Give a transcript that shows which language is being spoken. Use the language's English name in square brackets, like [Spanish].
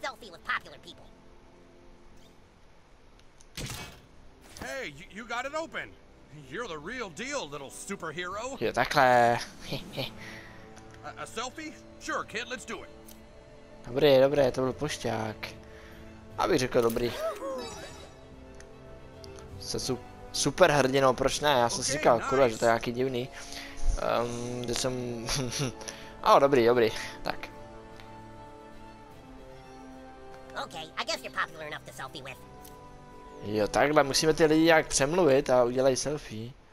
[English] with popular people. Hey, you got it open. You're the real deal, little superhero. Yeah, that clear. A selfie? Sure, kid, let's do it. [Czech] Dobré, dobré, to byl pošťák. Aby řekl dobrý. Se super hrdinou, proč ne? Já jsem okay, si říkal, nice. Kurva, že to je nějaký divný. Že jsem... A oh, dobrý, dobrý, tak. [English] Okay, I guess you're popular enough to selfie with. [Czech] Jo, takhle, musíme ty lidi nějak přemluvit a udělej selfie.